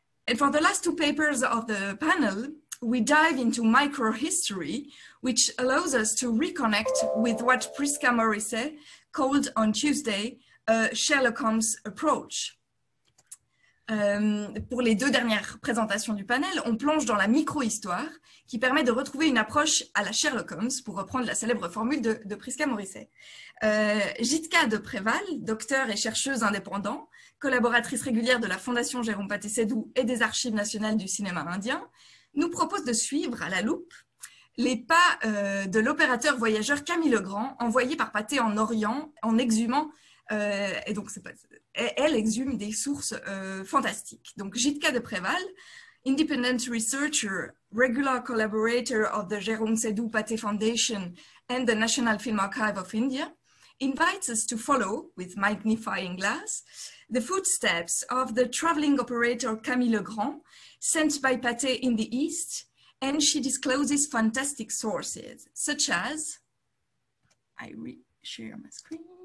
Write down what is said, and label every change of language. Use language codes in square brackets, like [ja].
[en] And for the last two papers of the panel, we dive into microhistory, which allows us to reconnect with what Prisca Morrissey called on Tuesday a Sherlock Holmes approach. [fr] Pour les deux dernières présentations du panel, on plonge dans la micro-histoire qui permet de retrouver une approche à la Sherlock Holmes, pour reprendre la célèbre formule de Prisca Morrissey. Jitka de Préval, docteur et chercheuse indépendant, collaboratrice régulière de la Fondation Jérôme Pathé-Sédoux et des Archives nationales du cinéma indien, nous propose de suivre à la loupe les pas de l'opérateur voyageur Camille Legrand, envoyé par Pathé en Orient, en exhumant, et donc c'est pas, elle exhume des sources fantastiques. [en] Donc Jitka de Préval, independent researcher, regular collaborator of the Jérôme Sédoux Pathé Foundation and the National Film Archive of India, invites us to follow, with magnifying glass, the footsteps of the traveling operator Camille Legrand, sent by Pathé in the East, and she discloses fantastic sources, such as, I re-share my screen,